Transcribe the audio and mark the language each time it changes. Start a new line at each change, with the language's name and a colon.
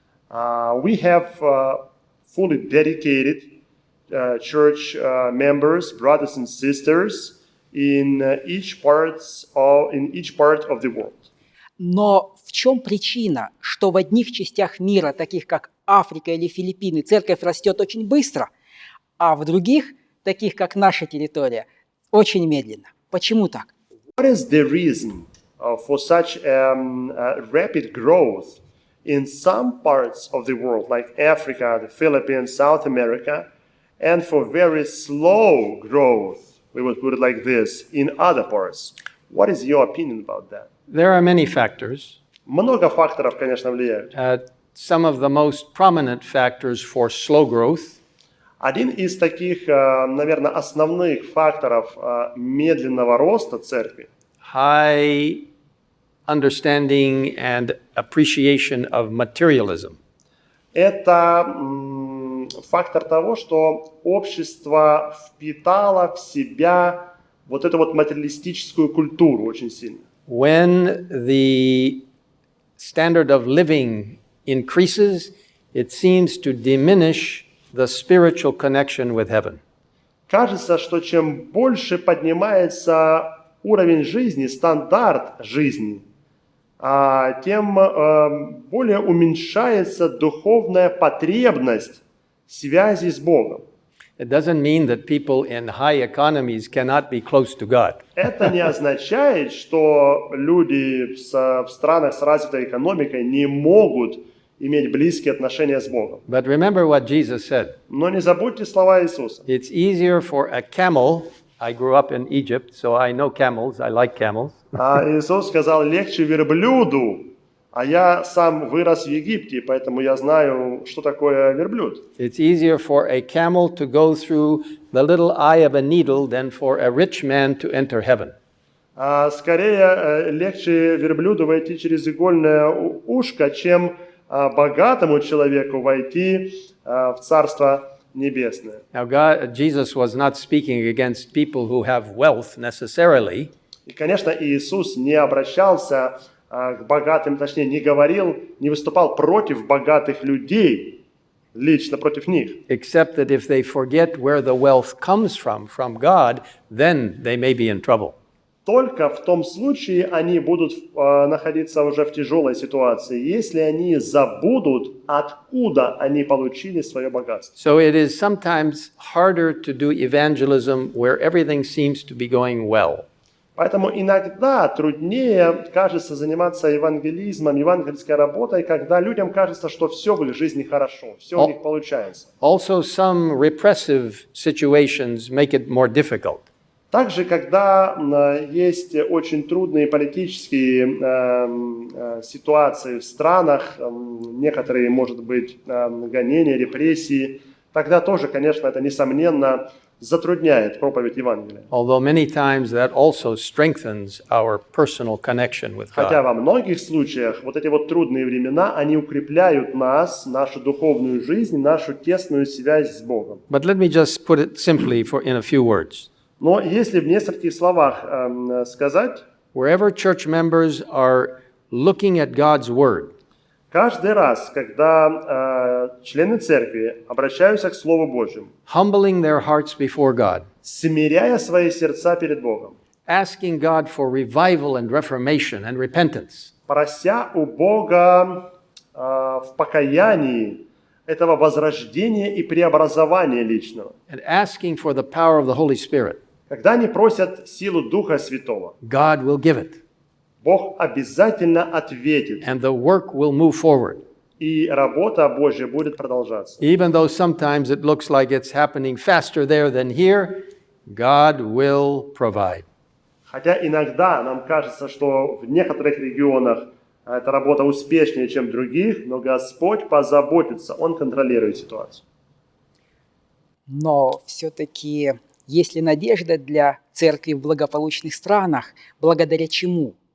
English: We have fully dedicated church members, brothers and sisters, in each part of the world.
Russian: Но в чем причина, что в одних частях мира, таких как Африка или Филиппины, церковь растет очень быстро, а в других, таких как наша территория, очень медленно? Почему так?
English: What is the reason for such rapid growth in some parts of the world, like Africa, the Philippines, South America? And for very slow growth, we would put it like this, in other parts. What is your opinion about that? There are many factors.
Russian: Много факторов, конечно, влияют.
English: Some of the most prominent factors for slow growth.
Russian: Один из таких, наверное, основных факторов медленного роста церкви.
English: High understanding and appreciation of materialism.
Russian: Это фактор того, что общество впитало в себя вот эту вот материалистическую культуру очень сильно.
English: When the standard of living increases, it seems to diminish the spiritual connection with heaven.
Russian: Кажется, что чем больше поднимается уровень жизни, стандарт жизни, тем более уменьшается духовная потребность связи с Богом.
English: It doesn't mean that people in high economies cannot be close to God.
Russian: Это не означает, что люди в странах с развитой экономикой не могут иметь близкие отношения с Богом.
English: But remember what Jesus said.
Russian: Но не забудьте слова Иисуса.
English: It's easier for a camel. I grew up in Egypt, so I know camels. I like camels.
Russian: А Иисус сказал: легче верблюду. А я сам вырос в Египте, поэтому я знаю, что такое верблюд.
English: It's easier for a camel to go through the little eye of a needle than for a rich man to enter heaven.
Russian: Скорее легче верблюду войти через игольное ушко, чем богатому человеку войти в Царство Небесное.
English: Now God, Jesus was not speaking against people who have wealth necessarily.
Russian: И, конечно, Иисус не обращался к богатым, точнее, не говорил, не выступал против богатых людей, лично против них.
English: Except that if they forget where the wealth comes from God, then they may be in trouble.
Russian: Только в том случае они будут находиться уже в тяжелой ситуации, если они забудут, откуда они получили свое богатство.
English: So it is sometimes harder to do evangelism where everything seems to be going well.
Russian: Поэтому иногда труднее кажется заниматься евангелизмом, евангельской работой, когда людям кажется, что все в их жизни хорошо, все у них получается.
English: Also some repressive situations make it more difficult.
Russian: Также, когда есть очень трудные политические ситуации в странах, некоторые, может быть, гонения, репрессии, тогда тоже, конечно, это несомненно затрудняет проповедь Евангелия.
English: Although many times that also strengthens our personal connection with God.
Russian: Хотя во многих случаях вот эти вот трудные времена, они укрепляют нас, нашу духовную жизнь, нашу тесную связь с Богом.
English: But let me just put it simply for in a few words.
Russian: Но если в нескольких словах сказать,
English: wherever church members are looking at God's word.
Russian: Каждый раз, когда члены церкви обращаются к Слову Божьему,
English: humbling their hearts before God,
Russian: смиряя свои сердца перед Богом,
English: asking God for revival and reformation and repentance,
Russian: прося у Бога в покаянии этого возрождения и преобразования личного,
English: and asking for the power of the Holy Spirit,
Russian: когда они просят силу Духа Святого,
English: God will give it.
Russian: Бог обязательно ответит.
English: And the work will move forward.
Russian: И работа Божья будет продолжаться.
English: Even though sometimes it looks like it's happening faster there than here, God will provide.
Russian: Хотя иногда нам кажется, что в некоторых регионах эта работа успешнее, чем в других, но Господь позаботится, Он контролирует ситуацию. Но все-таки есть ли надежда для церкви в благополучных странах, благодаря чему?